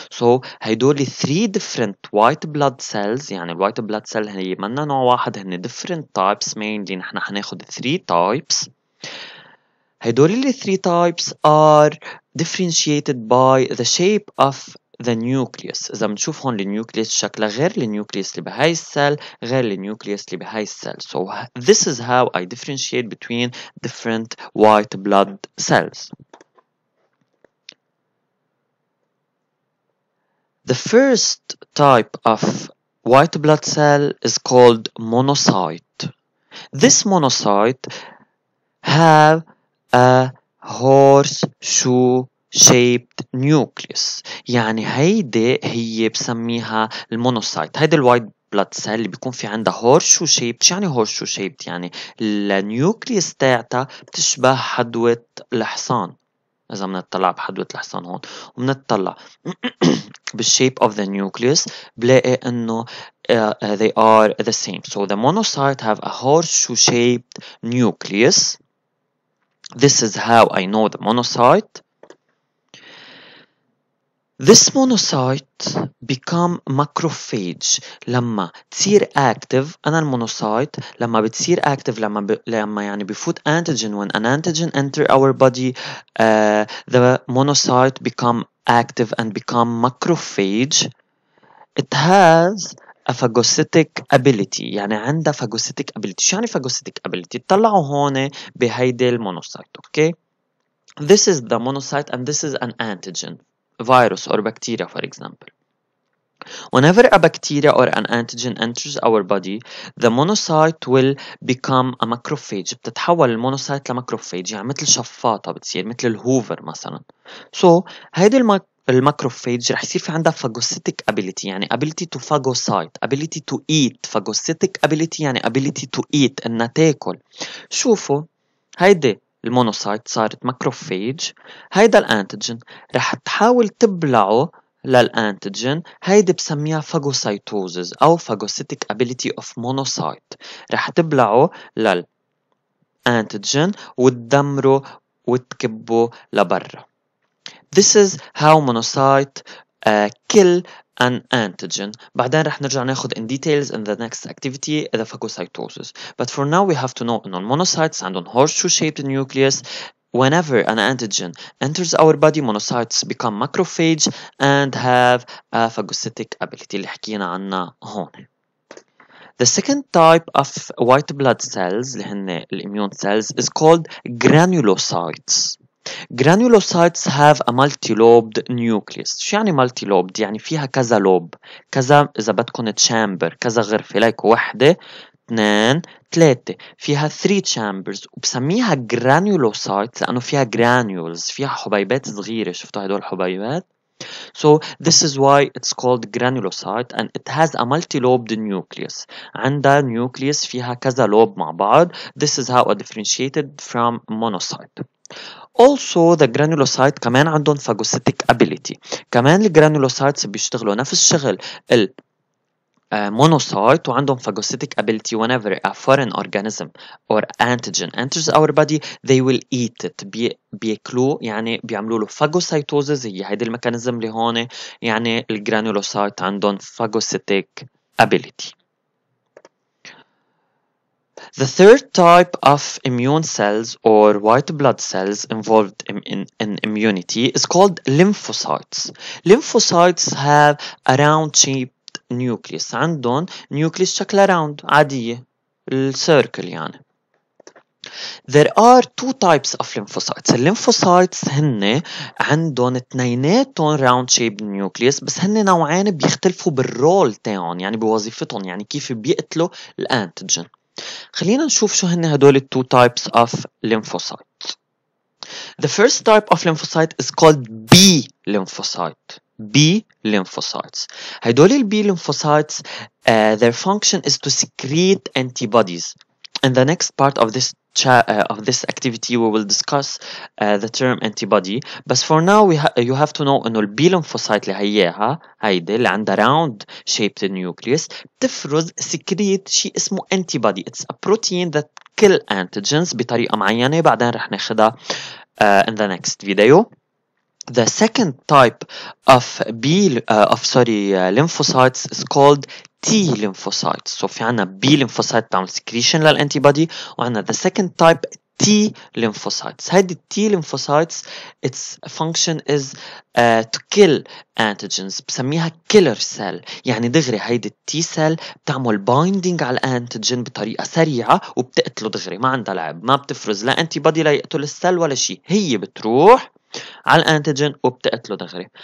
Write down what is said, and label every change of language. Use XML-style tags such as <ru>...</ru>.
<en>So</en> <ar>هيدولي</ar> <en>three different white blood cells,</en> <ar>يعني</ar> <en>white blood cell</en> <ar>هي منا نوع واحد, هن</ar> <en>different types mainly</en> <ar>نحن هناخد</ar> <en>three types.</en> <ar>هيدولي</ar> <en>three types are differentiated by the shape of the nucleus.</en> <ar>إذا بنشوف هون النيوكليس شكله غير النيوكليس اللي بهاي السل غير النيوكليس اللي بهاي السل.</ar> <en>So this is how I differentiate between different white blood cells. The first type of white blood cell is called monocyte. This monocyte have a horseshoe shaped nucleus.</en> <ar>يعني هيدي هي بسميها المونوسايت. هيدي الوايت بلاد سيل اللي بيكون في عندها هورشو شيبت. يعني هورشو شيبت يعني النيوكليس تاعتها بتشبه حدوة الحصان. إذا منتطلع بحدوة الحصان هون ومنتطلع بال</ar> <en>shape of the nucleus</en> <ar>بلاقي إنه</ar> <en>they are the same. So the monocyte have a horseshoe shaped nucleus. This is how I know the monocyte. This monocyte become macrophage</en> <ar>لما تصير</ar> <en>active.</en> <ar>أنا المونوسايت لما بتصير</ar> <en>active,</en> <ar>لما يعني بفوت</ar> <en>antigen, when an antigen enter our body, the monocyte become active and become macrophage. It has a phagocytic ability,</en> <ar>يعني عندها</ar> <en>phagocytic ability.</en> <ar>شو يعني phagocytic ability؟ طلعوا هون بهيدي المونوسايت,</ar> <en>okay? This is the monocyte and this is an antigen. Virus or bacteria, for example. Whenever a bacteria or an antigen enters our body, the monocyte will become a macrophage.</en> <ar>بتتحول المونوسايت لمكروفاج, يعني مثل شفاطة بتصير, مثل الهوفر مثلا.</ar> <en>So,</en> <ar>هيدي الماكروفاج رح يصير في عندها</ar> <en>phagocytic ability,</en> <ar>يعني</ar> <en>ability to phagocyte, ability to eat. Phagocytic ability</en> <ar>يعني</ar> <en>ability to eat,</en> <ar>إنها تاكل. شوفوا, هيدي المونوسايت صارت ماكروفاج, هيدا الانتيجين رح تحاول تبلعه للانتيجين, هيدي بسميها فاجوسايتوزز او فاجوسيتيك ابيليتي اوف مونوسايت, رح تبلعه للانتيجين وتدمره وتكبه لبرا.</ar> <en>This is how monocyte kill an antigen.</en> <ar>بعدين رح نرجع ناخد</ar> <en>in details in the next activity the phagocytosis. But for now we have to know on monocytes and on horseshoe shaped nucleus, whenever an antigen enters our body, monocytes become macrophage and have a phagocytic ability</en> <ar>اللي حكينا عنها هون.</ar> <en>The second type of white blood cells</en> <ar>اللي هن الاميون</ar> <en>cells is called granulocytes. Granulocytes have a multi-lobed nucleus.</en> <ar>شو يعني multi-lobed؟ يعني فيها كذا لوب, كذا إذا بدكن chamber, كذا غرفة, like واحدة, اثنين, ثلاثة, فيها</ar> <en>three chambers.</en> <ar>وبسميها granulocytes لأنه فيها granules, فيها حبيبات صغيرة. شفتوا هدول الحبيبات؟</ar> <en>So this is why it's called granulocyte and it has a multi-lobed nucleus.</en> <ar>عندها nucleus فيها كذا لوب مع بعض.</ar> <en>This is how it differentiated from monocyte. Also the granulocyte</en> <ar>كمان عندهم</ar> <en>phagocytic ability.</en> <ar>كمان الgranulocytes بيشتغلوا نفس الشغل المونوسايت وعندهم</ar> <en>phagocytic ability. Whenever a foreign organism or antigen enters our body, they will eat it.</en> <ar>بيأكلوا, يعني بيعملوا له phagocytosis. هي هيدي الميكانيزم اللي هون, يعني الgranulocyte عندهم</ar> <en>phagocytic ability. The third type of immune cells or white blood cells involved in immunity is called lymphocytes. Lymphocytes have a round-shaped nucleus. عندهم nucleus شكلها round, عادية, circle يعني. There are two types of lymphocytes.</en> <ar>Lymphocytes هن عندهم اثنيناتهم</ar> <en>round-shaped nucleus,</en> <ar>بس هن نوعين بيختلفوا بالرول تاعهم, يعني بوظيفتهم, يعني كيف بيقتلوا الانتيجين. خلينا نشوف شو هن هدول</ar> <en>two types of lymphocytes. The first type of lymphocyte is called B lymphocyte. B lymphocytes.</en> <ar>هدول</ar> <en>B lymphocytes, their function is to secrete antibodies. In the next part of this of this activity, we will discuss the term antibody. But for now, you have to know إنه B lymphocyte</en> <ar>اللي هيها هيدا اللي عنده</ar> <en>round shaped nucleus تفرز secrete</en> <ar>شيء اسمه</ar> <en>antibody. It's a protein that kill antigens</en> <ar>بطريقة معينة. بعدين رح ناخدها</ar> <en>in the next video. The second type of lymphocytes is called T lymphocytes. So</en> <ar>في عنا</ar> <en>B lymphocyte تعمل secretion للantibody, وعنا the second type T lymphocytes.</en> <ar>هيدي</ar> <en>T lymphocytes its function is to kill antigens.</en> <ar>بسميها</ar> <en>killer cell,</en> <ar>يعني دغري هيدي T cell بتعمل binding على antigen بطريقة سريعة وبتقتله دغري, ما عندها لعب, ما بتفرز لا antibody لا يقتل السل ولا شيء, هي بتروح على antigen وبتقتله دغري.</ar>